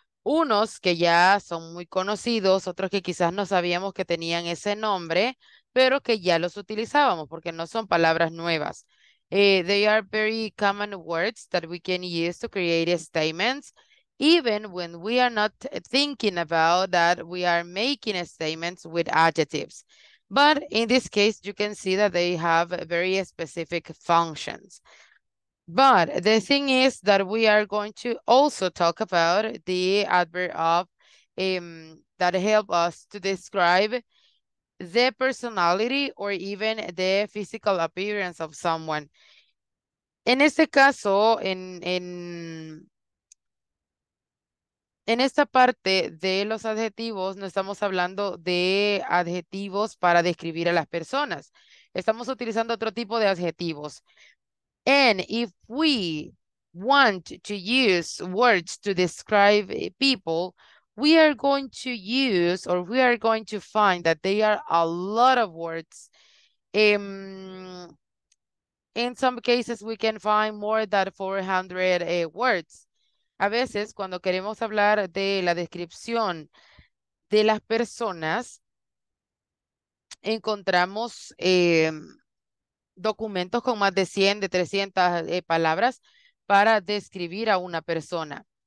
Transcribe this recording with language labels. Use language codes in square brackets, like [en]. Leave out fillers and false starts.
[es] Unos que ya son muy conocidos, otros que quizás no sabíamos que tenían ese nombre, pero que ya los utilizábamos porque no son palabras nuevas. [en] They are very common words that we can use to create statements, even when we are not thinking about that we are making statements with adjectives. But in this case, you can see that they have very specific functions. But the thing is that we are going to also talk about the adverb of that help us to describe the personality or even the physical appearance of someone. [es] En este caso, en esta parte de los adjetivos, no estamos hablando de adjetivos para describir a las personas. Estamos utilizando otro tipo de adjetivos. [en] And if we want to use words to describe people, we are going to use, or we are going to find that there are a lot of words. In some cases, we can find more than 400 words. [es] A veces, cuando queremos hablar de la descripción de las personas, encontramos documentos con más de 100, de 300 palabras para describir a una persona.